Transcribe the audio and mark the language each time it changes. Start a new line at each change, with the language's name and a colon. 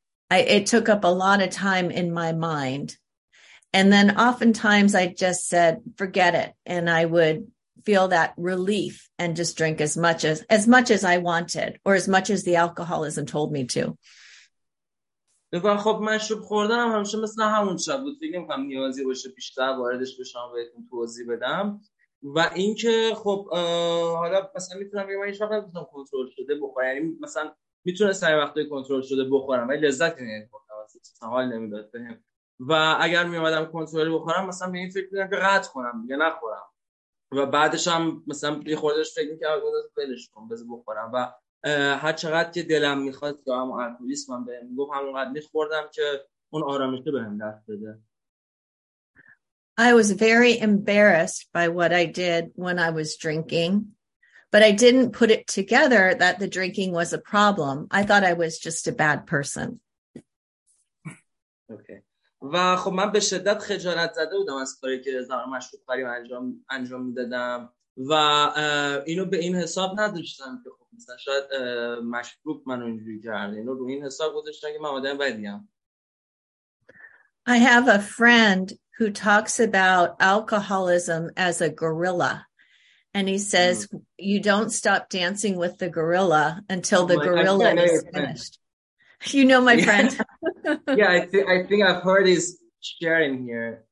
English: It took up a lot of time in my mind. And then oftentimes I just said, forget it. And I would feel that relief and just drink as much as I wanted or as much as the alcoholism told me to.
Persian: من خب مشروب خوردنم همیشه مثل همون شب بود. فکر نمی‌کنم نیازی باشه بیشتر واردش بشم بهتون توضیح بدم. و اینکه خب حالا مثلا میتونم بگم هیچ وقت نتونستم کنترل شده بخورم. یعنی مثلا میتونستم یه وقتای کنترل شده بخورم ولی لذت نمی‌بردم. حال نمی‌داد بهم. و اگر می اومدم کنترل بخورم مثلا به این فکر می‌کردم که قطع کنم دیگه نخورم و بعدش هم مثلا یه خوردهش فکر می‌کردم گذاشتم بلش کنم بذار بخورم و هر چقدر که دلم می‌خواست یا هم الکلیسم من بهم گفت همونقدر می‌خوردم که اون آرامشه بهم دست بده.
English: I was very embarrassed by what I did when I was drinking, but I didn't put it together that the drinking was a problem. I thought I was just a bad person. Okay.
Persian: و خب من به شدت خجالت زده بودم از کاری که زمان مشروب خوری انجام میدادم و اینو به این حساب نداشتم که خب مثلا شاید مشروب من اونجوری کرده، اینو رو این حساب گذاشتم که من آدم بدیم.
English: I have a friend who talks about alcoholism as a gorilla and he says you don't stop dancing with the gorilla until the gorilla is finished. You know my friend. Yeah, I think I've heard his sharing here.